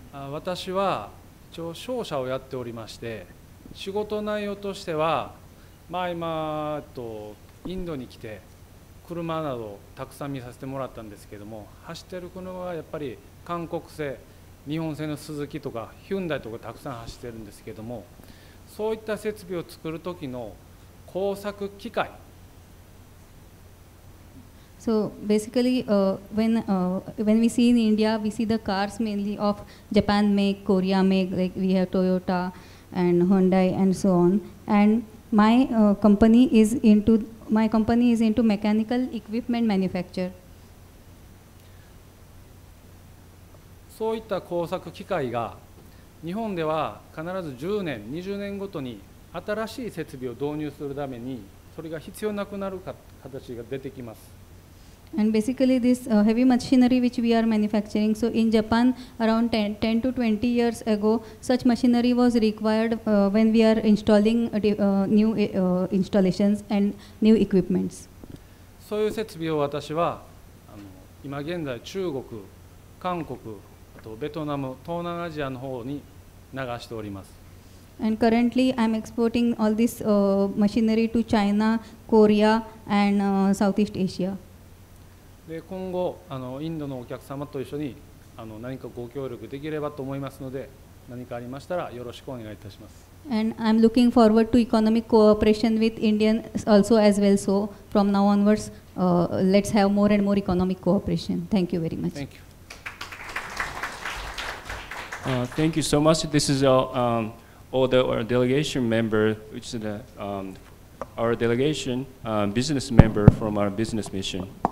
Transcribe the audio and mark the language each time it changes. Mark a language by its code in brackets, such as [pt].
[ja] 私は一応商社をやっておりまして、仕事内容としては、まあ、今とインドに来て車などたくさん見させてもらったんですけども、走ってる車はやっぱり韓国製、日本製のスズキとかヒュンダイとかたくさん走ってるんですけども、そういった設備を作る時の工作機械。 [en] So basically, when we see in India, we see the cars mainly of Japan make, Korea make, like we have Toyota and Hyundai and so on. And my company is into mechanical equipment manufacture. [ja] そういった工作機械が日本では必ず10年、20年ごとに新しい設備を導入するためにそれが必要なくなる形が出てきます。 [en] And basically this heavy machinery which we are manufacturing, so in Japan around 10 to 20 years ago such machinery was required when we are installing new installations and new equipments. [ja] そういう設備を私は今現在中国、韓国、あとベトナム、東南アジアの方に流しております。 [en] And currently I'm exporting all this machinery to China, Korea and Southeast Asia. [ja] で今後インドのお客様と一緒に何かご協力できればと思いますので、何かありましたらよろしくお願いいたします。 [en] And I'm looking forward to economic cooperation with Indians also as well. So from now onwards, let's have more and more economic cooperation. Thank you very much. Thank you. Thank you so much. This is all the our delegation member, which is the, our delegation business member from our business mission.